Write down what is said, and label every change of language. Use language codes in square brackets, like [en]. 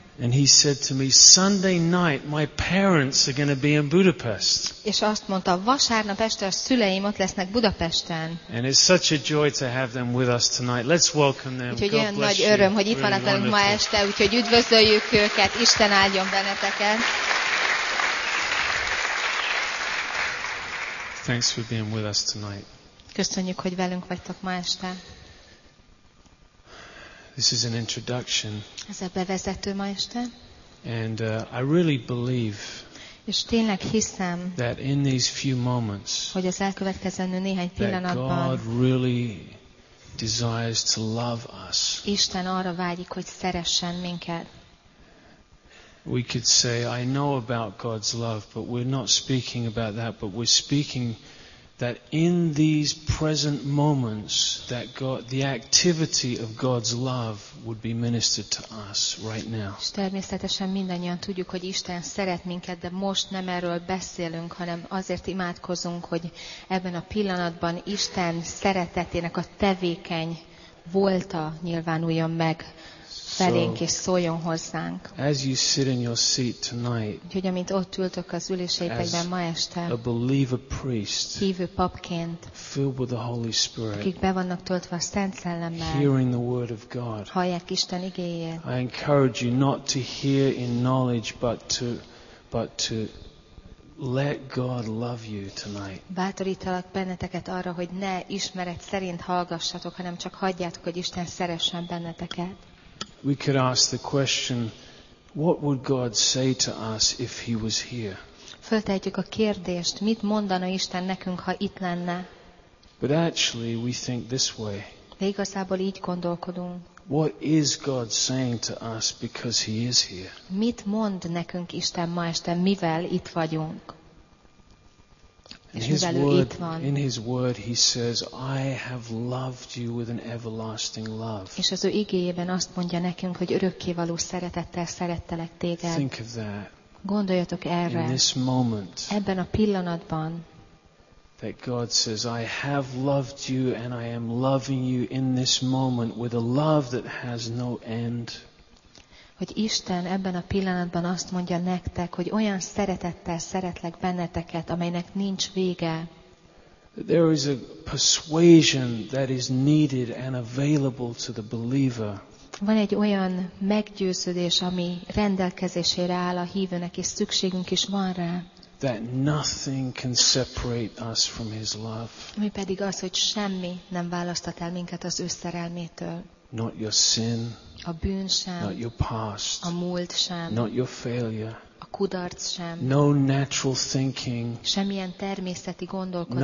[en] And he said to me, Sunday night my parents are going to be in Budapest. [hu] És azt mondta, vasárnap este a szüleim ott lesznek Budapesten. [en] And it's such a joy to have them with us tonight. Let's welcome them. [hu] Úgyhogy olyan nagy öröm, hogy itt van velünk ma este, úgyhogy üdvözöljük őket. Isten áldjon benneteket. [en] Thanks for being with us tonight. [hu] Köszönjük, hogy velünk vagytok ma este. [en] This is an introduction. [hu] Ez a bevezető ma este. [en] And I really believe. [hu] És tényleg hiszem. [en] That in these few moments. [hu] Hogy az elkövetkezendő néhány pillanatban. [en] That God really desires to love us. [hu] Isten arra vágyik, hogy szeressen minket. [en] We could say, I know about God's love, but we're not speaking about that. But we're speaking that in these present moments that God, the activity of God's love would be ministered to us right now. [hu] És természetesen mindannyian tudjuk, hogy Isten szeret minket, de most nem erről beszélünk, hanem azért imádkozunk, hogy ebben a pillanatban Isten szeretetének a tevékeny volta nyilvánuljon meg felénk és szóljon hozzánk. [en] As you sit in your seat tonight, [hu] úgyhogy amint ott ültök az üléseitekben ma este, [en] a believer priest, [hu] hívő papként, [en] filled with the Holy Spirit, [hu] akik be vannak töltve a Szent Szellemmel, [en] hearing the word of God, [hu] hallják Isten igéjét. [en] I encourage you not to hear in knowledge, but to let God love you tonight. [hu] Bátorítalak benneteket arra, hogy ne ismeret szerint hallgassatok, hanem csak hagyjátok, hogy Isten szeressen benneteket. [en] We could ask the question, what would God say to us if he was here? [hu] Föltehetjük a kérdést, mit mondana Isten nekünk, ha itt lenne? [en] But actually we think this way. [hu] De igazából így gondolkodunk. [en] What is God saying to us because he is here? [hu] Mit mond nekünk Isten ma este, mivel itt vagyunk? [en] In his word he says, I have loved you with an everlasting love. [hu] És az ő igéjében azt mondja nekünk, hogy örökkévaló szeretettel szerettelek téged. [en] Think of that. [hu] Gondoljatok erre. [en] In this moment. [hu] Ebben a pillanatban. [en] That God says, I have loved you and I am loving you in this moment with a love that has no end. [hu] Hogy Isten ebben a pillanatban azt mondja nektek, hogy olyan szeretettel szeretlek benneteket, amelynek nincs vége. [en] There is a persuasion that is needed and available to the believer. [hu] Van egy olyan meggyőződés, ami rendelkezésére áll a hívőnek, és szükségünk is van rá. [en] That nothing can separate us from his love. [hu] Ami pedig az, hogy semmi nem választhat el minket az ő szerelmétől. [en] Not your sin. [hu] A bűn sem, [en] not your past, [hu] a múlt sem, [en] not your failure, [hu] a kudarc sem, [en] no natural thinking, [hu] semmilyen természeti gondolkodás,